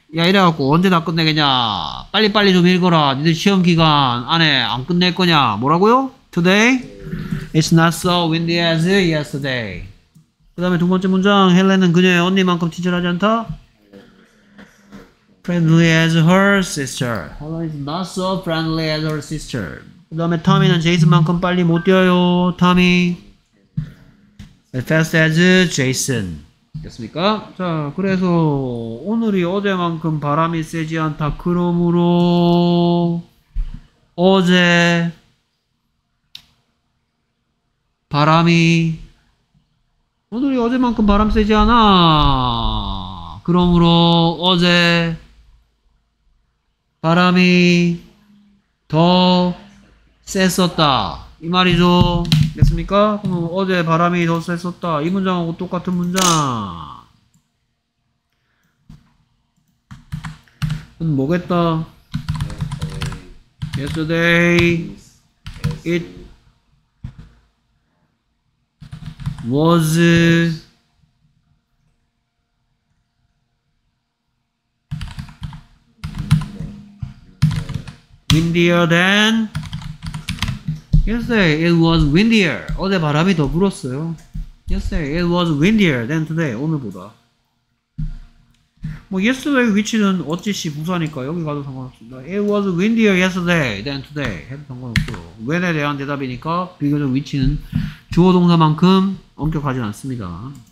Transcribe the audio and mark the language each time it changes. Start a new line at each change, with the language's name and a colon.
Korean: 야, 이래갖고 언제 다 끝내겠냐. 빨리 좀 읽어라. 니들 시험 기간 안에 안 끝낼 거냐. 뭐라고요?
English: Today it's not so windy as yesterday.
Korean: 그 다음에 두 번째 문장. 헬렌은 그녀의 언니만큼 친절하지 않다.
English: Friendly as her sister. Helen is not so friendly as her sister.
Korean: 그 다음에 Tommy는 제이슨만큼 빨리 못 뛰어요.
English: Tommy as fast as Jason.
Korean: 됐습니까? 자, 그래서 오늘이 어제만큼 바람이 세지 않다. 그러므로 어제 바람이 오늘이 어제만큼 바람 세지 않아. 그러므로 어제 바람이 더 셌었다. 이 말이죠. 됐습니까? 그럼 어제 바람이 더 셌었다. 이 문장하고 똑같은 문장은 뭐겠다?
English: Yesterday it was windier than Yesterday it was windier.
Korean: 어제 바람이 더 불었어요.
English: Yesterday it was windier than today.
Korean: 오늘보다. 뭐 yesterday 위치는 어찌시 부사니까 여기 가도 상관없습니다.
English: It was windier yesterday than today.
Korean: 해도 상관없고. When에 대한 대답이니까 비교적 위치는 주어 동사만큼 엄격하지 않습니다.